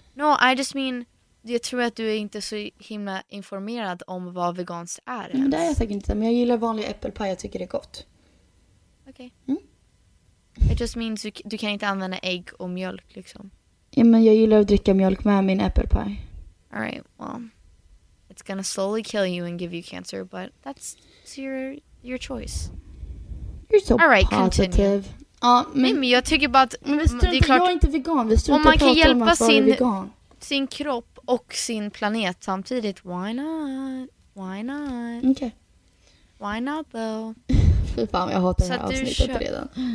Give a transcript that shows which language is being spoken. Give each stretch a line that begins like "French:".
English: No, I just mean,
Swedish: jag tror att du är inte så himla informerad om vad veganskt är. Men det är jag säkert inte, men jag gillar vanlig äppelpaj, jag tycker det är gott. Okej.
English: Okay. Mm? It just means
Swedish: du kan inte använda ägg och mjölk liksom. Ja, men jag gillar att dricka mjölk med min apple pie.
English: All right, well, it's gonna slowly kill you and give you cancer, but that's your choice. You're so all right, positive.
Swedish: Men jag tycker bara att... Men vi struntar, det är klart, jag är inte vegan. Vi struntar, om man kan hjälpa sin kropp och sin planet samtidigt,
English: why not? Why not?
Swedish: Okej.
English: Okay. Why not, though?
Swedish: Fy fan, jag hatar så det här avsnittet redan.